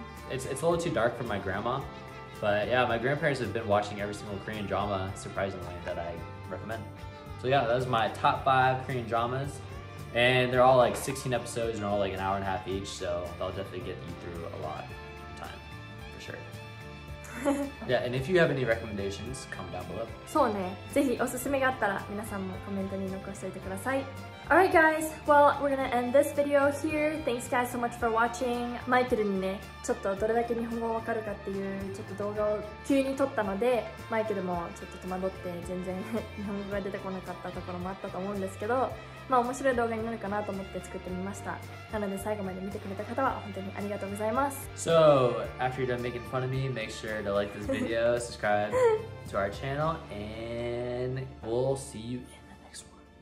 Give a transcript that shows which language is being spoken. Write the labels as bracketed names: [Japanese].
[English] It's a little too dark for my grandma, but yeah, my grandparents have been watching every single Korean drama, surprisingly, that I recommend. So, yeah, that was my top five Korean dramas. And they're all like 16 episodes and all like an hour and a half each, so they'll definitely get you through a lot of time, for sure. Yeah, and if you have any recommendations, comment down below. [Japanese] そうね、ぜひおすすめがあったら皆さんもコメントに残しておいてください。 [English] Alright guys, well, we're gonna end this video here. Thanks guys so much for watching. [Japanese] マイケルにね、ちょっとどれだけ日本語わかるかっていうちょっと動画を急に撮ったので、マイケルもちょっと戸惑って全然日本語が出てこなかったところもあったと思うんですけど、まあ面白い動画になるかなと思って作ってみました。なので最後まで見てくれた方は本当にありがとうございます。 [English] So, after you're done making fun of me, make sure to like this video, subscribe to our channel, and we'll see you in the next one.